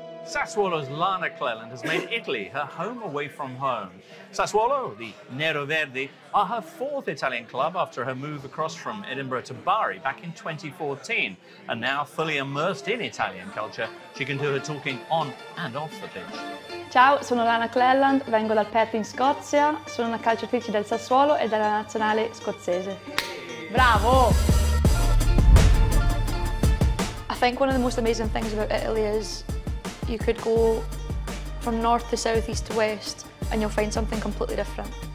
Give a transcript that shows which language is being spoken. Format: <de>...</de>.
<en>Sassuolo's Lana Clelland has made Italy her home away from home. Sassuolo, the Nero Verdi, are her fourth Italian club after her move across from Edinburgh to Bari back in 2014. And now fully immersed in Italian culture, she can do her talking on and off the pitch.</en> <it>Ciao, sono Lana Clelland, vengo dal Perth in Scozia, sono una calciatrice del Sassuolo e della nazionale scozzese. Bravo!</it> <en>I think one of the most amazing things about Italy is you could go from north to south, east to west, and you'll find something completely different.</en>